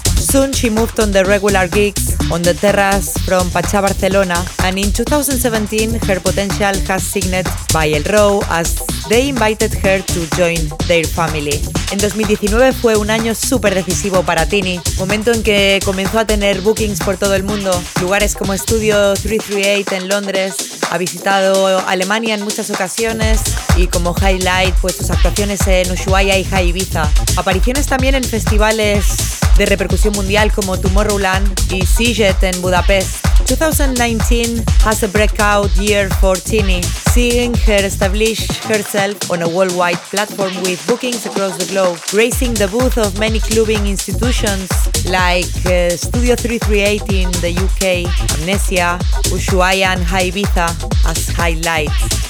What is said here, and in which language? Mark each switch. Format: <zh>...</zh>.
<en>Soon she moved on the regular gigs on the terrace from Pachá Barcelona, and in 2017 her potential has signed by El Row as they invited her to join their family.</en> <es>En 2019 fue un año súper decisivo para Tini, momento en que comenzó a tener bookings por todo el mundo, lugares como Studio 338 en Londres, ha visitado Alemania en muchas ocasiones y como highlight pues sus actuaciones en Ushuaia y Ibiza. Apariciones también en festivales de repercusión mundial como Tomorrowland y Sziget en Budapest.</es> <en>2019 has a breakout year for Tini, seeing her establish herself on a worldwide platform with bookings across the globe, gracing the booth of many clubbing institutions like Studio 338 in the UK, Amnesia, Ushuaia and Ibiza as highlights.</en>